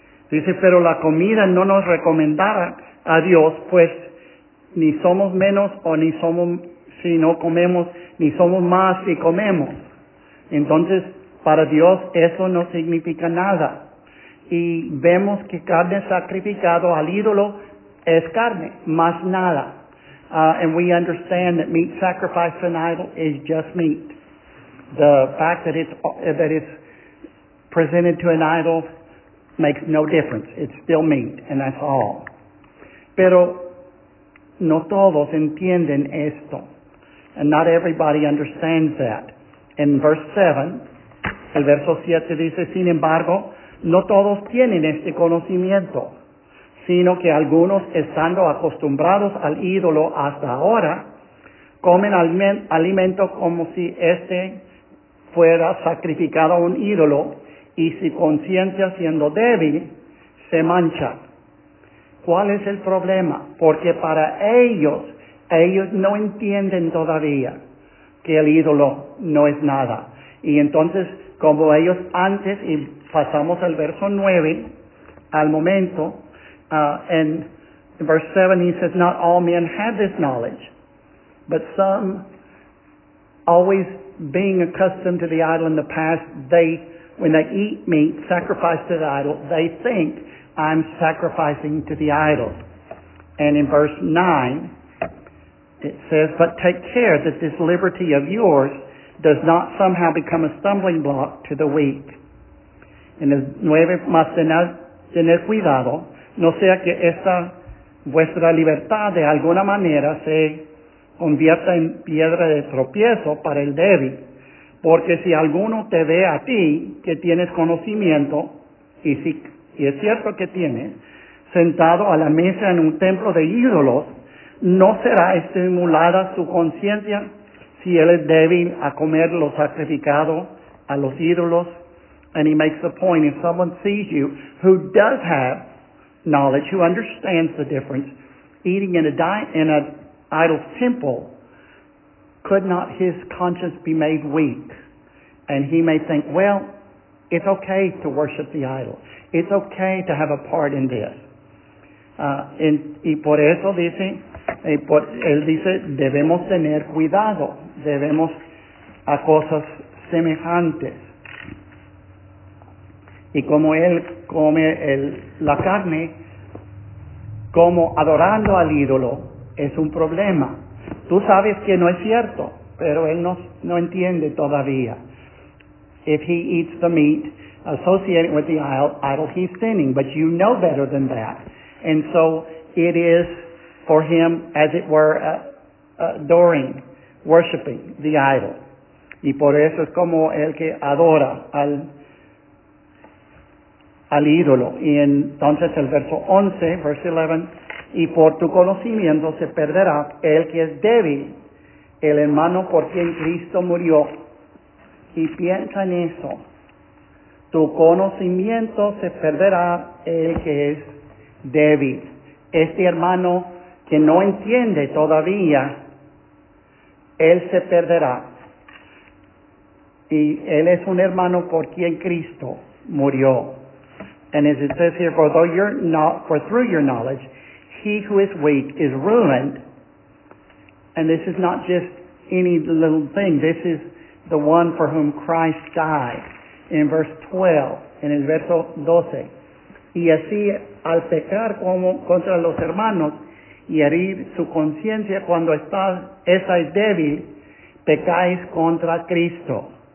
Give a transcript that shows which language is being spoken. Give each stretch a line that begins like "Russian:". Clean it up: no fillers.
Spanish: Dice, pero la comida no nos recomendara a Dios, pues ni somos menos o ni somos si no comemos, ni somos más si comemos. Entonces, para Dios eso no significa nada. y vemos que carne sacrificado al ídolo es carne, más nada.
English: And we understand that meat sacrificed to an idol is just meat. The fact that it's presented to an idol makes no difference. It's still meat, and that's all.
Spanish: Pero no todos entienden esto.
English: And not everybody understands that. In verse 7,
Spanish: el verso 7 dice, sin embargo, no todos tienen este conocimiento, sino que algunos, estando acostumbrados al ídolo hasta ahora, comen alimento como si este fuera sacrificado a un ídolo, y su conciencia, siendo débil, se mancha. ¿Cuál es el problema? Porque para ellos no entienden todavía que el ídolo no es nada. Y entonces, como ellos antes, y pasamos al verso 9, al momento,
English: and in verse 7 he says, not all men have this knowledge, but some, always being accustomed to the idol in the past, they, when they eat meat sacrificed to the idol, they think, I'm sacrificing to the idol. And in verse 9, it says, but take care that this liberty of yours does not somehow become a stumbling block to the weak.
Spanish: En el 9, más tener cuidado, no sea que esta vuestra libertad de alguna manera se convierta en piedra de tropiezo para el débil. Porque si alguno te ve a ti que tienes conocimiento, y es cierto que tienes, sentado a la mesa en un templo de ídolos, no será estimulada su conciencia si él es débil a comer lo sacrificado a los ídolos.
English: And he makes the point, if someone sees you who does have knowledge, who understands the difference, eating in a idol's temple, could not his conscience be made weak? And he may think, well, it's okay to worship the idol. It's okay to have a part in this.
Spanish: Y por eso dice, él dice, debemos tener cuidado, debemos a cosas semejantes. Y como él come la carne, como adorando al ídolo, es un problema. Tú sabes que no es cierto, pero él no entiende todavía.
English: If he eats the meat associated with the idol, he's sinning. But you know better than that. And so it is for him, as it were, adoring, worshiping the idol.
Spanish: Y por eso es como el que adora al ídolo. Y entonces el verso 11,
English: verse 11,
Spanish: y por tu conocimiento se perderá el que es débil, el hermano por quien Cristo murió. Y piensa en eso. Tu conocimiento se perderá el que es débil. Este hermano que no entiende todavía, él se perderá. Y él es un hermano por quien Cristo murió.
English: And as it says here, for through your knowledge, he who is weak is ruined. And this is not just any little thing. This is the one for whom Christ died. In verse 12,
Spanish: en el verso 12, y así al pecar como contra los hermanos y herir su conciencia cuando esa es débil, pecáis contra Cristo.